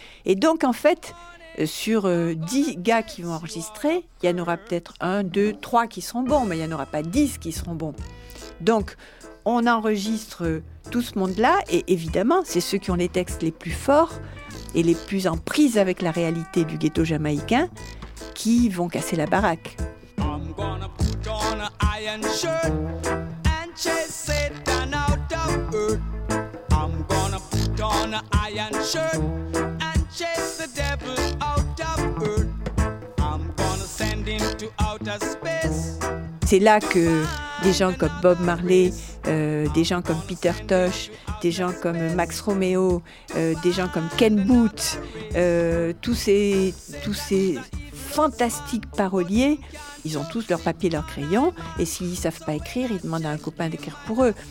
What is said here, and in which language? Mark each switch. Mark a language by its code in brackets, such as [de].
[fr] Et donc, en fait, sur 10 gars qui vont enregistrer, il y en aura peut-être 1, 2, 3 qui seront bons, mais il n'y en aura pas 10 qui seront bons. Donc, on enregistre tout ce monde-là, et évidemment, c'est ceux qui ont les textes les plus forts et les plus en prise avec la réalité du ghetto jamaïcain qui vont casser la baraque. [en] I'm gonna put on an iron shirt and chase it down out of earth. I'm gonna put on an iron shirt. Chase the devil out of earth. I'm gonna send him to outer space. [fr] C'est là que des gens comme Bob Marley, des gens comme Peter Tosh, des gens comme Max Romeo, des gens comme Ken Booth, tous ces fantastiques paroliers, ils ont tous leur papier, leur crayon, et s'ils savent pas écrire, ils demandent à un copain d'écrire pour eux.